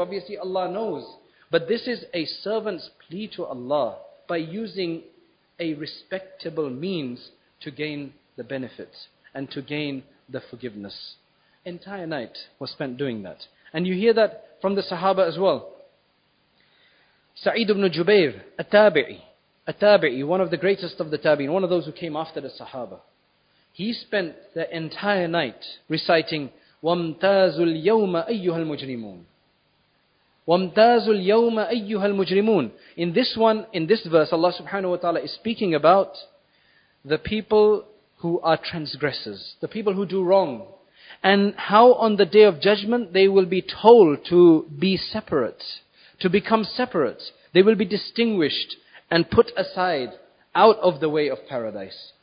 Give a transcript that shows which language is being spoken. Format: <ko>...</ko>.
<en>Obviously Allah knows. But this is a servant's plea to Allah by using a respectable means to gain the benefits and to gain the forgiveness. Entire night was spent doing that. And you hear that from the Sahaba as well. Sa'id ibn Jubayr, a tabi'i, one of the greatest of the tabi'in, one of those who came after the Sahaba. He spent the entire night reciting,</en> <ar>وَامْتَازُ الْيَوْمَ أَيُّهَا الْمُجْرِمُونَ وَامْتَازُ الْيَوْمَ أَيُّهَا الْمُجْرِمُونَ.</ar> <en>In this one, in this verse, Allah subhanahu wa ta'ala is speaking about the people who are transgressors, the people who do wrong. And how on the Day of Judgment they will be told to be separate, to become separate. They will be distinguished and put aside out of the way of paradise.</en>